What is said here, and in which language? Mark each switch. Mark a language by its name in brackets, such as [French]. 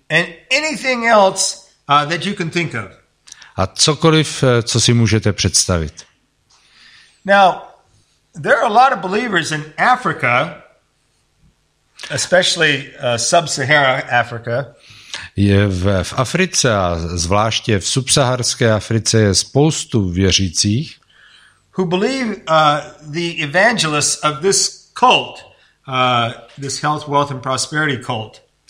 [English] And anything else that you can think of. [Czech] A cokoliv, co si můžete představit. [English] Now, there are a lot of believers in Africa, especially sub-Sahara Africa. [Czech] Je v Africe, a zvláště v subsaharské Africe, je spoustu věřících, [English] who believe the evangelists of this cult, this health, wealth and prosperity cult.